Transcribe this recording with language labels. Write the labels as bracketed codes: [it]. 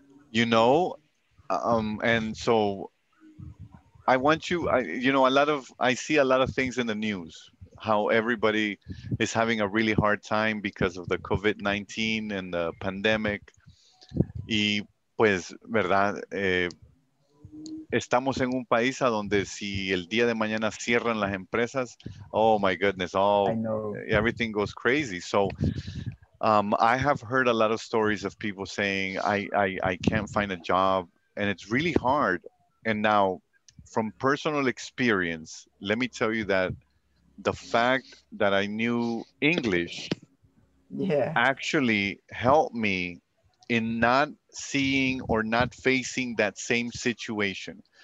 [en] You know, and so I want you, I see a lot of things in the news. How everybody is having a really hard time because of the COVID-19 and the pandemic. [es] Y pues, verdad, estamos en un país a donde si el día de mañana cierran las empresas, [en] oh my goodness, oh, everything goes crazy. So I have heard a lot of stories of people saying, I can't find a job, and it's really hard. And now, from personal experience, let me tell you that the fact that I knew English actually helped me in not seeing or not facing that same situation.